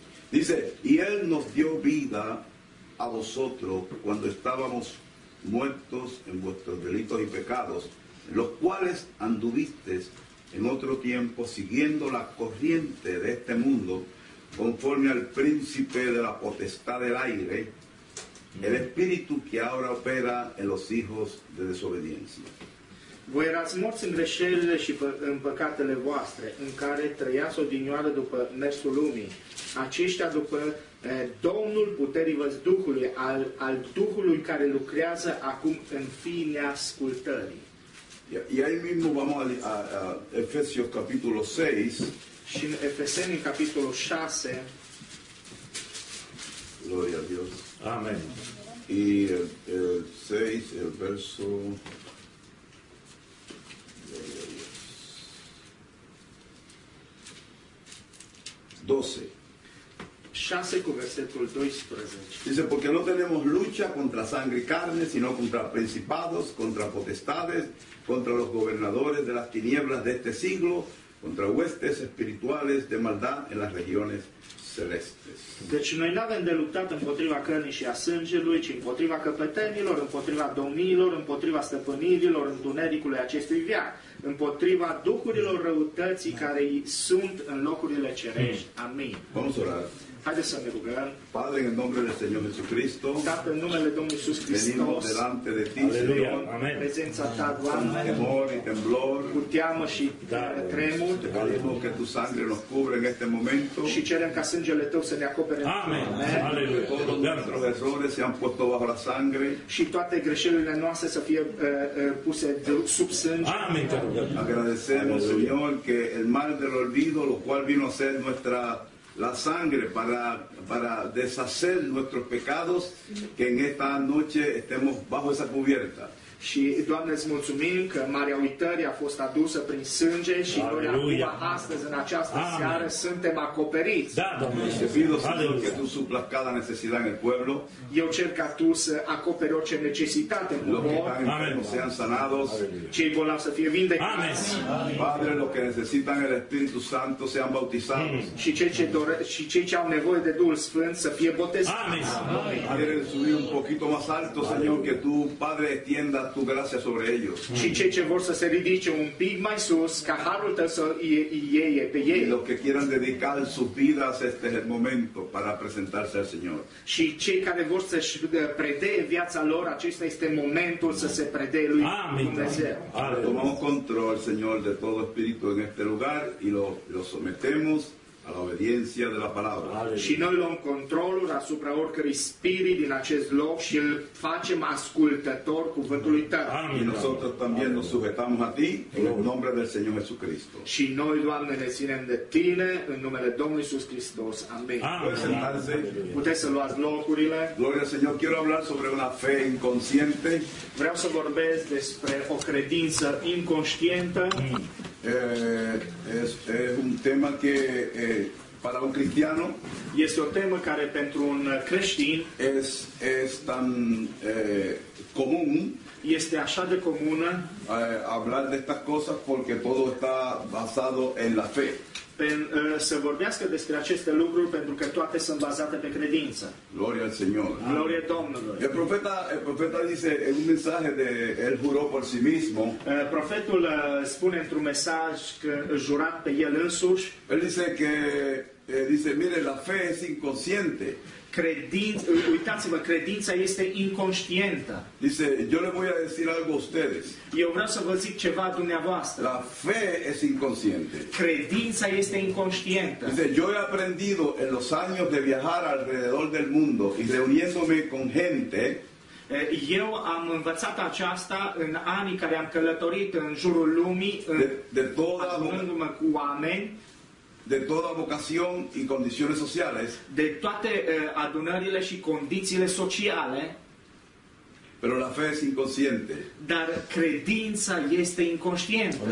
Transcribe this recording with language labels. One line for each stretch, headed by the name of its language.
Spanish: Dice, y Él nos dio vida a vosotros cuando estábamos muertos en vuestros delitos y pecados, los cuales anduvisteis en otro tiempo, siguiendo la corriente de este mundo, conforme al príncipe de la potestad del aire, el espíritu que ahora opera en los hijos de desobediencia.
Romanian: Voi erați morți în greșelile și în păcatele voastre, în care trăiați odinioară după mersul lumii, aceștia după Domnul puterii văzduhului, al Duhului care lucrează acum în fii neascultării.
Spanish: Y ahí mismo vamos a Efesios capítulo 6.
Romanian: Și în Efeseni capitolul 6.
Spanish: Gloria a Dios. Amén. Y el 6, el verso... Gloria a Dios. 12. 6 con versículo 12. Dice, porque no tenemos lucha contra sangre y carne, sino contra principados, contra potestades, contra los gobernadores de las tinieblas de este siglo, contra huestes espirituales de maldad en las regiones celestes.
Romanian: Deci noi nu avem de luptat împotriva cărnii și a sângelui, ci împotriva căpetenilor, împotriva domniilor, împotriva stăpânirilor, întunericului acestui veac, împotriva duhurilor răutății care sunt în locurile cerești. Amin.
Spanish: Vamos orar.
Romanian: Haideți să ne rugăm.
Spanish: Padre,
Romanian: în numele
Spanish: del Señor Jesucristo,
Romanian: Tată, în numele Domnului Iisus Hristos,
Spanish: venim delante de Ti, Señor,
Romanian: amen. Prezența Ta, Doamne,
Spanish: temor y temblor,
Romanian: cu teamă și tremur,
Spanish: te pedim că Tu sangre nos cubre în este momento,
Romanian: și cerem ca sângele Tău să ne acopere. Amen. Aleluia.
Spanish: Todos nuestros errores se han puesto bajo la sangre,
Romanian: și toate greșelile noastre să fie puse sub sânge. Amen.
Spanish: Agradecemos, Señor, que el mal del olvido, lo cual vino a ser nuestra la sangre para deshacer nuestros pecados, que en esta noche estemos bajo esa cubierta.
Romanian: Și Doamne, îți mulțumim că marea uitării a fost adusă prin sânge și noi acum astăzi în această Amen. Seară suntem acoperiți. Da, Doamne.
Spanish: Te pido, Señor, que tú suplas cada necesidad en el pueblo.
Romanian: Eu cer ca tú să acoperi orice necesitate în popor.
Spanish: Sean sanados.
Romanian: Cei bolnavi să fie vindecați. Amen.
Spanish: Padre, los que necesitan el Espíritu Santo sean bautizados.
Romanian: Și cei ce au nevoie de Duhul Sfânt să fie botezați. Amen.
Spanish: Padre, subi un poquito más alto, Señor, que tú, Padre, extienda tu gracia sobre ellos.
Romanian: Și cei ce vor să se ridice un pic mai sus, ca harul tău să ieie pe ei.
Spanish: Los que quieran dedicar sus vidas, este es el momento para presentarse al Señor.
Romanian: Și cei care vor să-și predee viața lor, acesta este momentul să se predee lui Dumnezeu.
Spanish: Tomamos control, Señor, de todo espíritu en este lugar y lo sometemos a la obediencia de la palabra.
Romanian: Și noi luăm controlul asupra oricărui spirit din acest loc și îl facem ascultător cuvântului Tău. Amin.
Spanish: Nosotros también nos sujetamos a ti en el nombre del Señor Jesucristo.
Romanian: Și noi, Doamne, ne ținem de tine în numele Domnului Iisus Hristos. Amin. Puteți să luați locurile.
Spanish: Gloria al Señor. Quiero hablar sobre una fe inconsciente.
Romanian: Vreau să vorbesc despre o credință inconștientă.
Spanish: Es un tema que para un cristiano
Romanian: y este o tema care pentru un creștin
Spanish: es tan común
Romanian: y este așa de comună
Spanish: hablar de estas cosas porque todo está basado en la fe.
Romanian: Să vorbească despre aceste lucruri pentru că toate sunt bazate pe credință.
Spanish: Gloria al Señor.
Romanian: Gloria Domnului.
Spanish: El profeta dice en un mensaje de él juró por sí mismo.
Romanian: Profetul spune într-un mesaj că jurat pe el însuși.
Spanish: Él dice que dice, mire, la fe es inconsciente.
Romanian: Uitați-vă, credința este inconștientă.
Spanish: Dice, yo le voy a decir algo a ustedes.
Romanian: Eu vreau să vă zic ceva dumneavoastră.
Spanish: La fe es inconsciente.
Romanian: Credința este inconștientă.
Spanish: Dice, yo he aprendido en los años de viajar alrededor del mundo y reuniéndome con gente.
Romanian: Eu am învățat aceasta în anii care am călătorit în jurul lumii, adunându-mă cu oameni.
Spanish: De toda vocación y condiciones sociales.
Romanian: De toate adunările și condițiile sociale.
Spanish: Pero la fe es inconsciente.
Romanian: Dar credința este inconștientă.